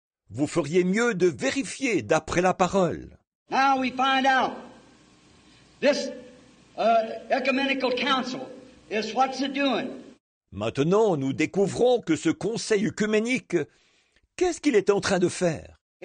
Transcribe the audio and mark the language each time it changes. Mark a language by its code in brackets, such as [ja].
[fr] Vous feriez mieux de vérifier d'après la parole. [en] Now we find out. This ecumenical council is what's it doing? [fr] Maintenant, nous découvrons que ce conseil œcuménique, qu'est-ce qu'il est en train de faire?